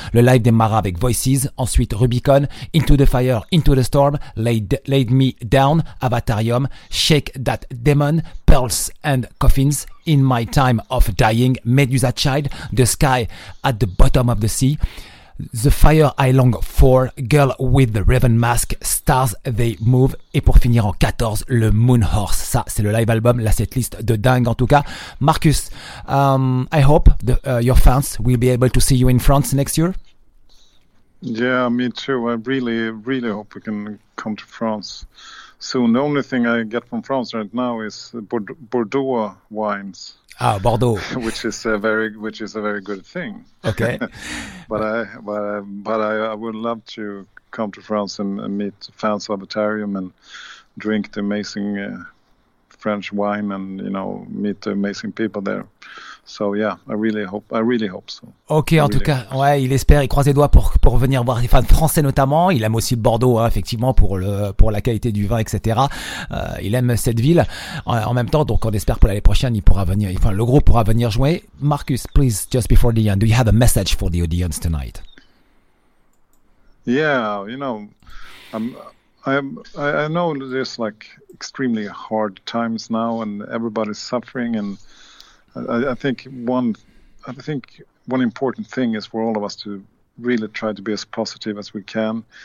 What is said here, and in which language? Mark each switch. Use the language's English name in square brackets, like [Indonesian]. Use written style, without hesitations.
[French] Le live démarra avec Voices, ensuite Rubicon, Into the Fire, Into the Storm, Laid Me Down, Avatarium, Shake That Demon, Pearls and Coffins, In My Time of Dying, Medusa Child, The Sky at the Bottom of the Sea, The Fire I Long For, Girl with the Raven Mask, Stars They Move, et pour finir en 14, le Moon Horse. Ça, c'est le live album, la setlist de dingue en tout cas. [English] Marcus, I hope your fans will be able to see you in France next year. Yeah, me too. I really, really hope we can come to France soon. The only thing I get from France right now is Bordeaux wines. Ah, Bordeaux. Which is a very good thing. Okay. but I would love to come to France and meet fans of Avatarium and drink the amazing French wine and, you know, meet the amazing people there. So yeah, I really hope so. [French] Ouais, il espère, il croise les doigts pour venir voir les fans français notamment. Il aime aussi Bordeaux, hein, effectivement, pour la qualité du vin, etc. Il aime cette ville. En même temps, donc on espère pour l'année prochaine, le groupe pourra venir jouer. [English] Marcus, please, just before the end, do you have a message for the audience tonight? Yeah, you know, I know there's like extremely hard times now, and everybody's suffering, and I think one important thing is for all of us to really try to be as positive as we can.